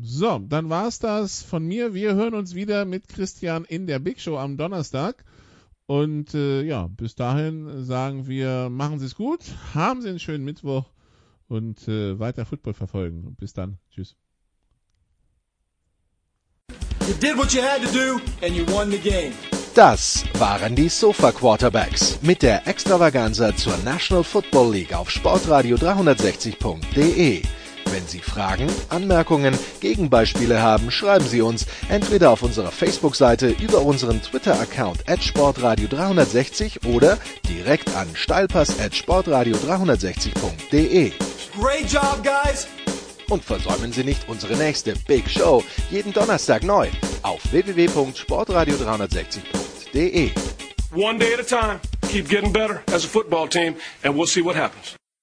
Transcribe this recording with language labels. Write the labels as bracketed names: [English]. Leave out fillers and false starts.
[German] So, dann war es das von mir. Wir hören uns wieder mit Christian in der Big Show am Donnerstag. Und bis dahin sagen wir, machen Sie es gut, haben Sie einen schönen Mittwoch und weiter Football verfolgen. Bis dann. Tschüss. [English] You did what you had to do and you won the game. [German] Das waren die Sofa Quarterbacks mit der Extravaganza zur National Football League auf sportradio360.de. Wenn Sie Fragen, Anmerkungen, Gegenbeispiele haben, schreiben Sie uns entweder auf unserer Facebook-Seite über unseren Twitter-Account @sportradio360 oder direkt an steilpass@sportradio360.de. [English] Great job, guys! [German] Und versäumen Sie nicht unsere nächste Big Show jeden Donnerstag neu auf www.sportradio360.de. [English] One day at a time, keep getting better as a football team, and we'll see what happens.